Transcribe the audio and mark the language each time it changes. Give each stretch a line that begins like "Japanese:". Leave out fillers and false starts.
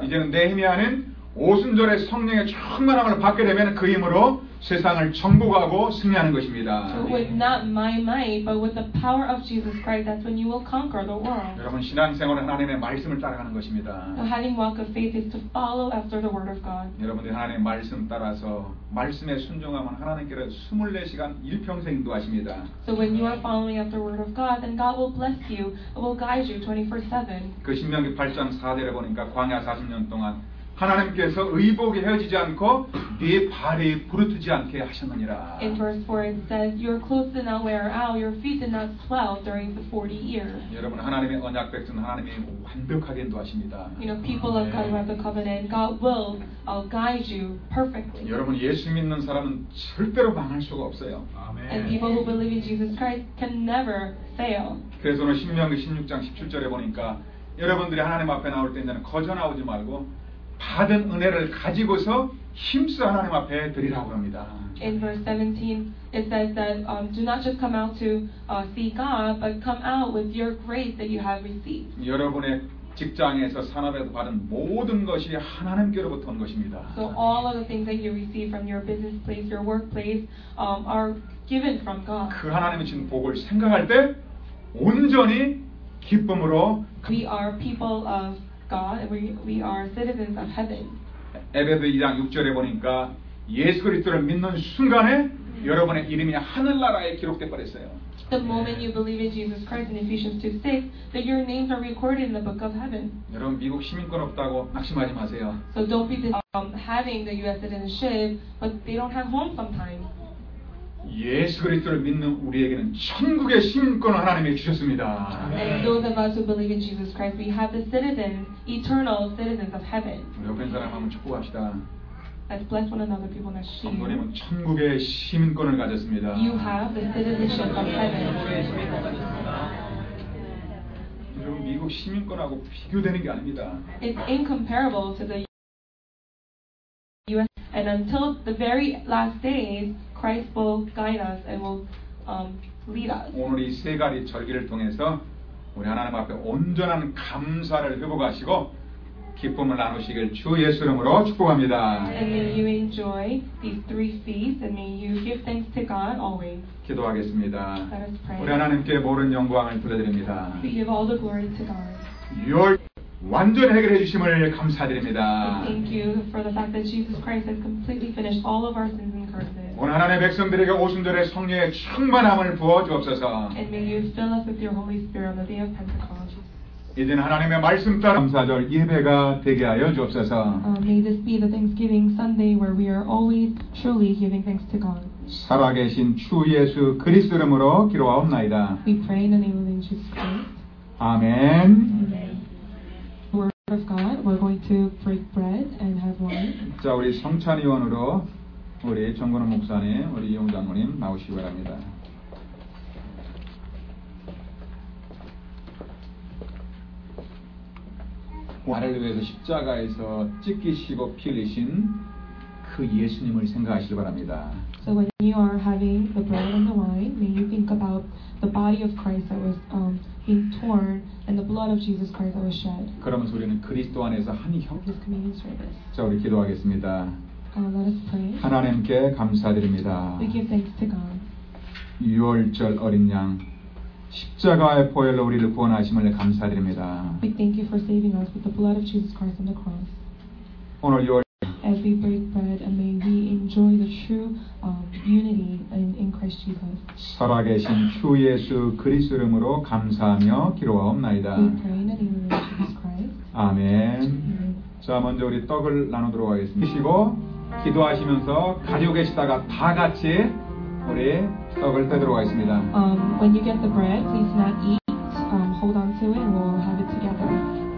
Korean: 이제는 느헤미야는 오순절의 성령의 충만함을 받게 되면 그 힘으로 세상을 정복하고 승리하는 것입니다.
English: With not my might, but with the power of Jesus Christ, that's when you will conquer the world.
Korean: 여러분 신앙생활은 하나님의 말씀을 따라가는 것입니다.
English: The having walk of faith is to follow after the word of God.
Korean: 여러분들 하나님 말씀 따라서 말씀에 순종하면 하나님께서 24시간 일평생 인도하십니다.
English: So when you are following after the word of God, then God will bless you, will guide you 24/7.
Korean: 그 신명기 8장 4절에 보니까 광야 40년 동안 하나님께서 의복이 헤어지지 않고 네 발이 부르트지 않게 하셨느니라.
English: In verse 4 it says, your clothes did not wear out, your feet did not swell during the 40 years.
Korean: 여러분 하나님의 언약 백성 하나님이 완벽하게 인도하십니다.
English: You know, people of God who have the covenant, God will guide you perfectly.
Korean: 여러분 예수 믿는 사람은 절대로 망할 수가 없어요.
English: And people who believe in Jesus Christ can never fail.
Korean: 그래서 오늘 신명기 16장 17절에 보니까 여러분들이 하나님 앞에 나올 때는 거저 나오지 말고 받은 은혜를 가지고서 힘써 하나님 앞에 드리라고 합니다.
English: In verse 17, it says that do not just come out to see God, but come out with your grace that you have received.
Korean: 여러분의 직장에서 산업에서 받은 모든 것이 하나님께로부터 온 것입니다.
English: So all of the things that you receive from your business place, your workplace, are given from God.
Korean: 그 하나님이 주신 복을 생각할 때 온전히 기쁨으로.
English: We are people of God, we are citizens of heaven.
Korean: 에베소 2장 6절에 보니까 예수 그리스도를 믿는 순간에 여러분의 이름이 하늘나라에 기록돼 버렸어요.
English: The moment you believe in Jesus Christ in Ephesians 2:6, that your names are recorded in the book of heaven.
Korean: 여러분 미국 시민권 없다고 낙심하지 마세요.
English: So don't be having the U.S. citizenship, but they don't have home sometimes.
Korean: 예수 그리스도를 믿는 우리에게는 천국의 시민권을 하나님이 주셨습니다.
English: And those of us who believe in Jesus Christ, we have the citizens, eternal citizens of heaven.
Korean: 옆에 사람 한번 축복합시다.
English: Let's bless one another, people next to you.
Korean: 성도님은 천국의 시민권을 가졌습니다.
English: You have the citizenship of heaven.
Korean: 여러분 미국 시민권하고 비교되는 게 아닙니다.
English: It's incomparable to the U.S. And until the very last days, Christ will guide us and will lead us.
Korean: 오늘 이 세 가지 절기를 통해서 우리 하나님 앞에 온전한 감사를 회복하시고 기쁨을 나누시길 주 예수 이름으로 축복합니다.
English: And may you enjoy these three feasts and may you give thanks to God always.
Korean: 기도하겠습니다.
English: Let us pray.
Korean: 우리 하나님께 모든 영광을 돌려드립니다.
English: We give all the glory to God.
Korean: 완전 해결해 주심을 감사드립니다.
English: Thank you for the fact that Jesus Christ has completely finished all of our sins and curses.
Korean: 오늘 하나님의 백성들에게 오순절의 성령의 충만함을 부어 주옵소서.
English: And may you fill us with your Holy Spirit on the day of Pentecost.
Korean: 이제는 하나님의 말씀 따라 감사절 예배가 되게 하여 주옵소서.
English: May this be the Thanksgiving Sunday where we are always truly giving thanks to God.
Korean: 살아계신 주 예수 그리스도 이름으로 기도하옵나이다.
English: We pray in the name of Jesus Christ.
Korean: 아멘.
English: Of God, we're going to break bread and have wine.
Korean: 자 우리 성찬 위원으로 우리 정근호 목사님, 우리 이용 장모님 나오시기 바랍니다. 나를 위해서 십자가에서 찢기시고 피 흘리신 그 예수님을 생각하시기 바랍니다.
English: So when you are having the bread and the wine, may you think about the body of Christ that was being torn and the blood of Jesus Christ that was shed.
Korean: 그러면서 우리는 그리스도 안에서 한 혈.
English: This communion service.
Korean: 자, 우리 기도하겠습니다.
English: Let us pray.
Korean: 하나님께 감사드립니다.
English: We give thanks to God.
Korean: 유월절 어린 양 십자가의 보혈로 우리를 구원하심을 감사드립니다.
English: We thank you for saving us with the blood of Jesus Christ on the cross.
Korean: 오늘 유월
English: As we break bread, and may we enjoy the true unity in Christ Jesus.
Korean: 살아계신 주 예수 그리스도 이름으로 감사하며 기도하옵나이다.
English: We pray in the name of Jesus Christ.
Korean: 아멘. 자, 먼저 우리 떡을 나누도록 하겠습니다. 드시고 기도하시면서 가지고 계시다가 다 같이 우리 떡을 떼도록 하겠습니다.
English: When you get the bread, please not eat. Hold on to it, and we'll have it together.